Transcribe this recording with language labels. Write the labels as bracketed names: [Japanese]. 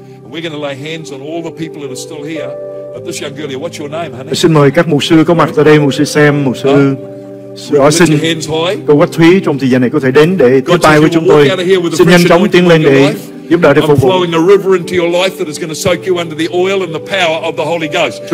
[English] We're going to lay hands on all the people that are still here. But this young girl here, what's your name, honey? [Vietnamese] Xin mời các mục sư có mặt ở đây, mục sư Sam, mục sư. Xin cô Quách Thúy trong thời gian này có thể đến để tiếp tay với chúng tôi. Xin nhanh chóng tiến lên để giúp đỡ để phục vụ. [English] Flowing a river into your life that is going to soak you under the oil and the power of the Holy Ghost.